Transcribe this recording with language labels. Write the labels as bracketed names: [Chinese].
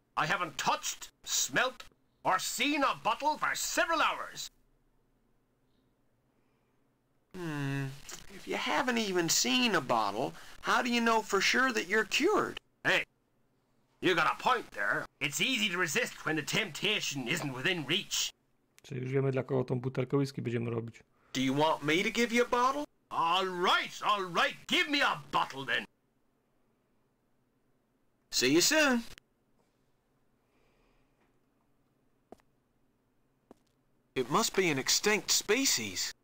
[English] I haven't touched, smelt, or seen a bottle for several hours. If you haven't even seen a bottle, how do you know for sure that you're cured? Hey, you got a point there. It's easy to resist when the temptation isn't within reach. [Polish] Czy już wiemy, dla kogo tą butelkę whisky będziemy robić? [English] Do you want me to give you a bottle? All right, give me a bottle then. See you soon. It must be an extinct species.